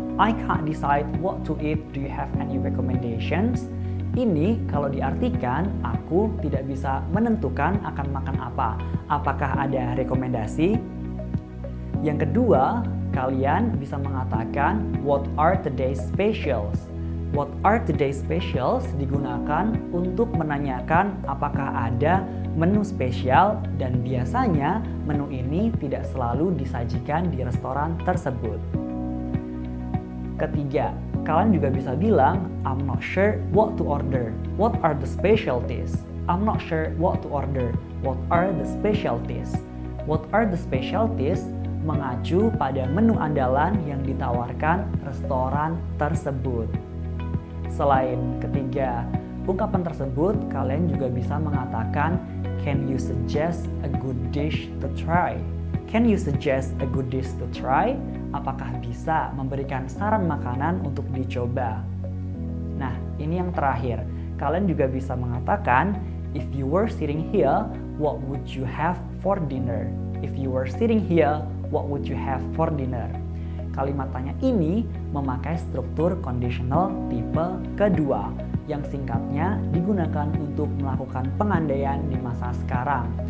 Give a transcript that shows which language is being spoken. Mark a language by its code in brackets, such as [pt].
[en] I can't decide what to eat, do you have any recommendations? [id] Ini kalau diartikan, aku tidak bisa menentukan akan makan apa. Apakah ada rekomendasi? Yang kedua, kalian bisa mengatakan [en] what are today's specials? What are today's specials [id] digunakan untuk menanyakan apakah ada menu spesial dan biasanya menu ini tidak selalu disajikan di restoran tersebut. Ketiga, kalian juga bisa bilang [en] I'm not sure what to order. What are the specialties? I'm not sure what to order. What are the specialties? What are the specialties? [id] Mengacu pada menu andalan yang ditawarkan restoran tersebut. Selain ketiga ungkapan tersebut, kalian juga bisa mengatakan [en] Can you suggest a good dish to try? Can you suggest a good dish to try? [id] Apakah bisa memberikan saran makanan untuk dicoba? Nah, ini yang terakhir. Kalian juga bisa mengatakan [en] If you were sitting here, what would you have for dinner? If you were sitting here, what would you have for dinner? [id] Kalimat tanya ini memakai struktur conditional tipe kedua yang singkatnya digunakan untuk melakukan pengandaian di masa sekarang.